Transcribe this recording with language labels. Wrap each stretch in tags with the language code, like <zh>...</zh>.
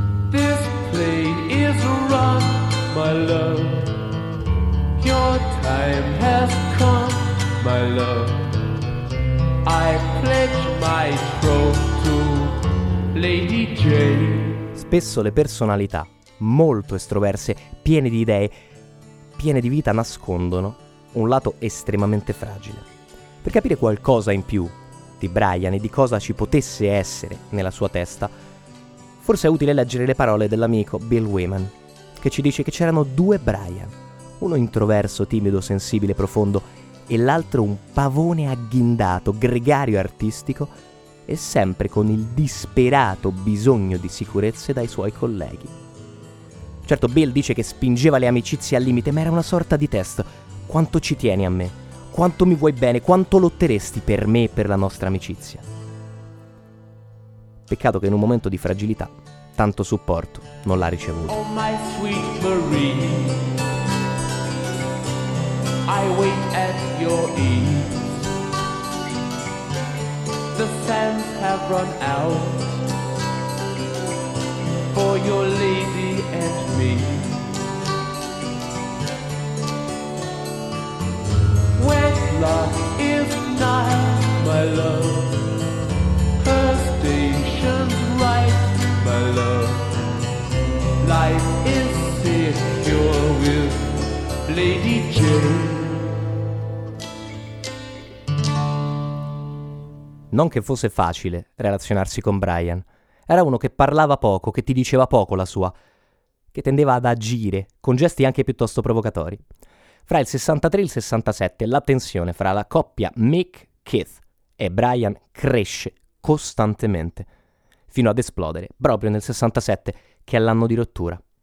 <en>This plane is run, my love, your time has come, my love, I pledge my troth to Lady Jane.</en> <it>Spesso le personalità molto estroverse, piene di idee, piene di vita, nascondono un lato estremamente fragile. Per capire qualcosa in più di Brian e di cosa ci potesse essere nella sua testa, forse è utile leggere le parole dell'amico Bill Wyman, che ci dice che c'erano due Brian, uno introverso, timido, sensibile, profondo, e l'altro un pavone agghindato, gregario artistico e sempre con il disperato bisogno di sicurezze dai suoi colleghi. Certo, Bill dice che spingeva le amicizie al limite, ma era una sorta di test. Quanto ci tieni a me? quanto mi vuoi bene, quanto lotteresti per me e per la nostra amicizia. Peccato che in un momento di fragilità tanto supporto non l'ha ricevuto.</it> <en>Oh my sweet Marie, I wait at your ease. The sands have run out for your lady and me. Wedlock is nigh, my love. Her station's right, my love. Life is secure with Lady Jane.</en> <it>Non che fosse facile relazionarsi con Brian. Era uno che parlava poco, che ti diceva poco la sua, che tendeva ad agire, con gesti anche piuttosto provocatori. Fra il 63 e il 67 la tensione fra la coppia Mick-Keith e Brian cresce costantemente, fino ad esplodere proprio nel 67, che è l'anno di rottura.</it>